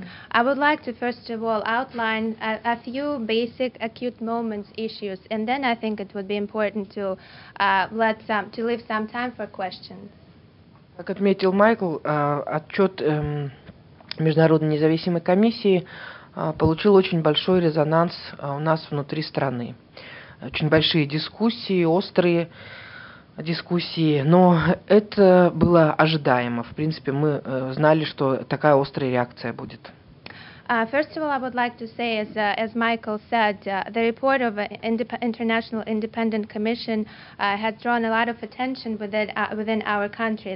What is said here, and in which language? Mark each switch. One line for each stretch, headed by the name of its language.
English: I would like to first of all outline a few basic acute moments issues, and then I think it would be important to let some to leave some time for questions.
Russian: Как отметил Майкл, отчет Международной независимой комиссии получил очень большой резонанс у нас внутри страны. Очень большие дискуссии, острые дискуссии, но это было ожидаемо. В принципе, мы знали, что такая острая реакция будет.
English: First of all, I would like to say, as Michael said, the report of an international independent commission had drawn a lot of attention within our country.